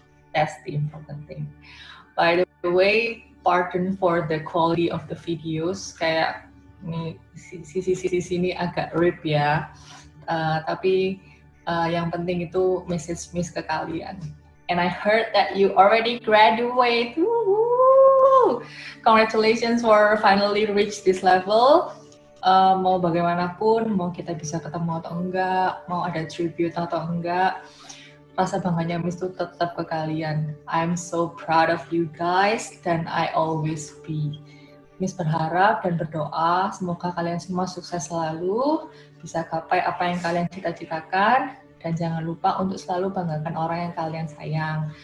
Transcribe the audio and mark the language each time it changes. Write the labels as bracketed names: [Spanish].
[English] That's the important thing. By the way, pardon for the quality of the videos, [Indonesian] kayak sisi-sisi sini agak rip ya, tapi yang penting itu message Miss ke kalian. [English] And I heard that you already graduate, woohoo! Congratulations for finally reach this level. [Indonesian] Mau bagaimanapun, mau kita bisa ketemu atau enggak, mau ada tribute atau enggak, rasa bangganya Miss tuh tetap ke kalian. [English] I'm so proud of you guys, and I always be. [Indonesian] Miss berharap dan berdoa semoga kalian semua sukses selalu, bisa gapai apa yang kalian cita-citakan, dan jangan lupa untuk selalu banggakan orang yang kalian sayang.